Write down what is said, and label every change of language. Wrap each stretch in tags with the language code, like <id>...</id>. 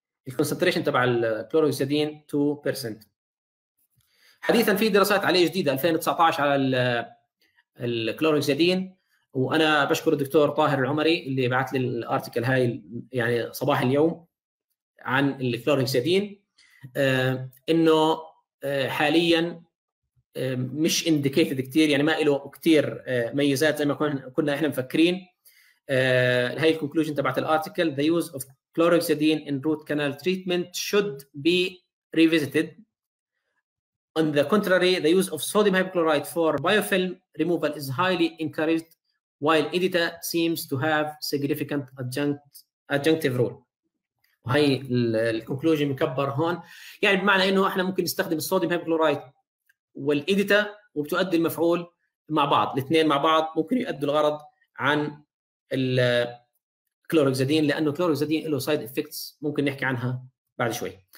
<ar>the concentration تبع الكلوروكسيدين 2%. حديثا في دراسات عليه جديدة 2019 على الكلوروكسيدين، وانا بشكر الدكتور طاهر العمري اللي بعث لي الارتكل هاي يعني صباح اليوم عن الكلوروكسيدين، انه حاليا مش انديكيتد كثير، يعني ما له كثير ميزات زي ما كنا احنا مفكرين. هاي الكونكلوجن تبعت الارتكل،</ar> <en>the use of chloroxidine in root canal treatment should be revisited. on the contrary the use of sodium hypochlorite for biofilm removal is highly encouraged while EDITA seems to have significant adjunctive role.</en> <ar>وهي الكونكلوجن مكبر هون، يعني بمعنى انه احنا ممكن نستخدم الصوديوم هيبوكلورايت والإيديتا وبتؤدي المفعول مع بعض، الاثنين مع بعض ممكن يؤدوا الغرض عن الكلوروكسيدين، لانه الكلوروكسيدين له سايد افكتس ممكن نحكي عنها بعد شوي.</ar>